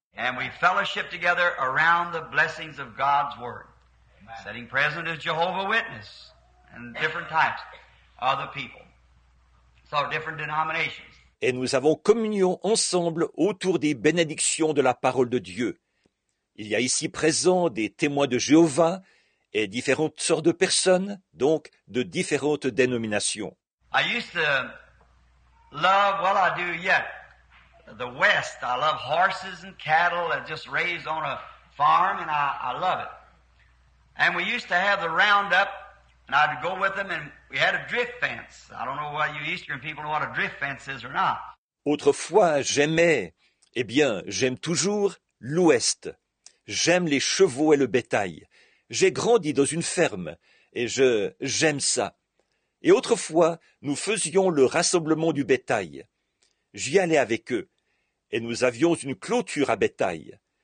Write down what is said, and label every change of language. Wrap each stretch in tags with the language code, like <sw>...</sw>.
<en>And we fellowship together around the blessings of God's Word. Sitting present is Jehovah Witness and different types of other people. So different denominations.</en> <fr>Et nous avons communion ensemble autour des bénédictions de la parole de Dieu. Il y a ici présents des témoins de Jéhovah et différentes sortes de personnes, donc de différentes dénominations.</fr> <en>I used to love, well I do yet, the West. I love horses and cattle that just raised on a farm and I love it. And we used to have the roundup, and I'd go with them, and we had a drift fence. I don't know why you Eastern people know what a drift fence is or not.</en> <fr>Autrefois, j'aimais, eh bien, j'aime toujours l'Ouest. J'aime les chevaux et le bétail. J'ai grandi dans une ferme, et j'aime ça. Et autrefois, nous faisions le rassemblement du bétail. J'y allais avec eux, et nous avions une clôture à bétail.</fr>